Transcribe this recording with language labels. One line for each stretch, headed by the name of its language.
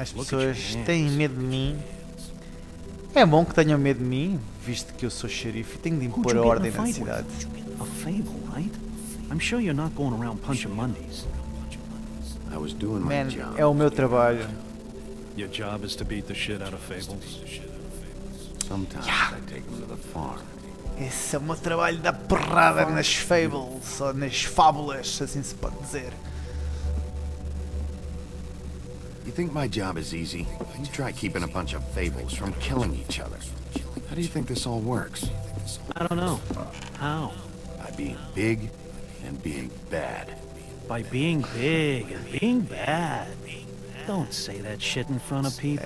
Portuguese: as pessoas têm medo de mim. É bom que tenham medo de mim, visto que eu sou xerife e tenho de impor a ordem na cidade. Uma fable, certo?
English: I'm sure you're not going around punching Mondays. I was doing my job.
Portuguese: É o meu trabalho.
English: Your job is to beat the shit out of fables. Sometimes I take them to the farm.
Portuguese: Esse é o meu trabalho da porrada nas fables, ou nas fábulas, assim se pode dizer.
English: You think my job is easy? You try keeping a bunch of fables from killing each other. How do you think this all works? I don't know. How? By being big and being bad. By being big and being bad. Don't say that shit in front of people.